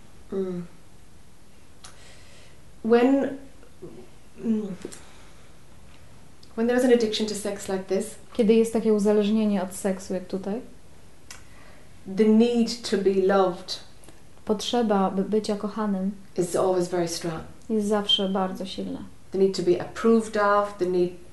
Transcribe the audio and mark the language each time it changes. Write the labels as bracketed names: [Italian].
[English] When there is an addiction to sex like this, [Polish] kiedy jest takie uzależnienie od seksu jak tutaj, [English] the need to be loved. [Polish] Potrzeba bycia kochanym [English] is always very strong. [Polish] Jest zawsze bardzo silna. [English] The need to be approved of, the need...